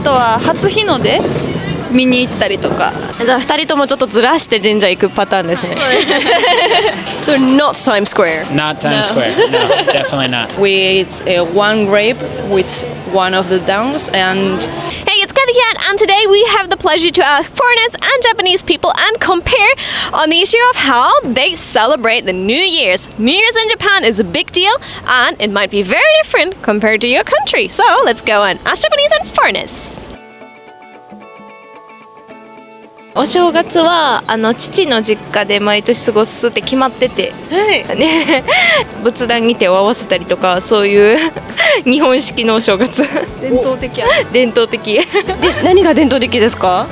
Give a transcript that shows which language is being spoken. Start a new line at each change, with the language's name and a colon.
Japanese: とは初日の出見に行ったりとか。じゃあ2人ともちょっとずらして神社行くパターンですね。
English: So not Times Square. Not Times Square. No, definitely not. We ate one grape with one of the dongs and... And today we have the pleasure to ask foreigners and Japanese people and compare on the issue of how they celebrate the New Year's. New Year's in Japan is a big deal and it might be very different compared to your country. So let's go and ask Japanese and foreigners.
Japanese: お正月はあの父の実家で毎年過ごすって決まってて、はい、ね、仏壇に手を合わせたりとかそういう日本式のお正月、伝統的や、伝統的で何が伝統的ですか？